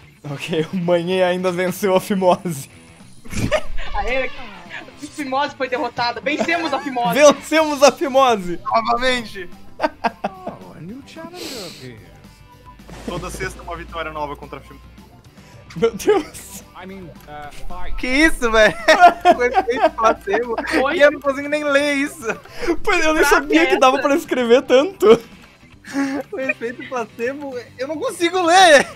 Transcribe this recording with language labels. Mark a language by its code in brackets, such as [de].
[pt] Ok, o manhã ainda venceu a fimose. Aê, a fimose foi derrotada. Vencemos a fimose. Vencemos a fimose. Novamente. [en] Oh, a new challenger appears. [pt] Toda sexta uma vitória nova contra a fimose. Meu Deus. Que isso, velho? Foi e eu não consigo nem ler isso. Eu nem sabia que dava pra escrever tanto. O efeito placebo, eu não consigo ler!